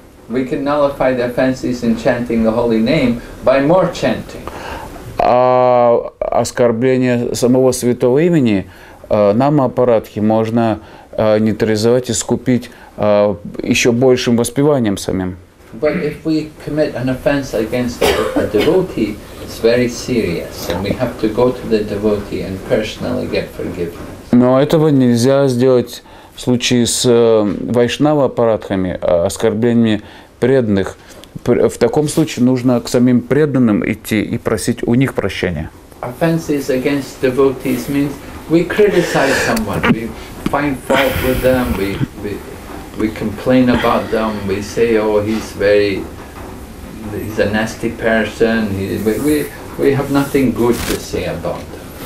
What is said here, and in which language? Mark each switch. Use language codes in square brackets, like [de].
[en] we can nullify the offenses in chanting the holy name by more chanting. [ru] А оскорбление самого святого имени нам аппаратхи можно нейтрализовать и искупить еще большим воспеванием самим. [en] But if we commit an offense against a devotee, it's very serious, and we have to go to the devotee and personally get forgiveness. [ru] Но этого нельзя сделать в случае с вайшнава аппаратхами, оскорблениями преданных. В таком случае нужно к самим преданным идти и просить у них прощения. [en] Offenses against devotees means we criticize someone, we find fault with them, we complain about them, we say, oh, he's a nasty person, we have nothing good to say about them.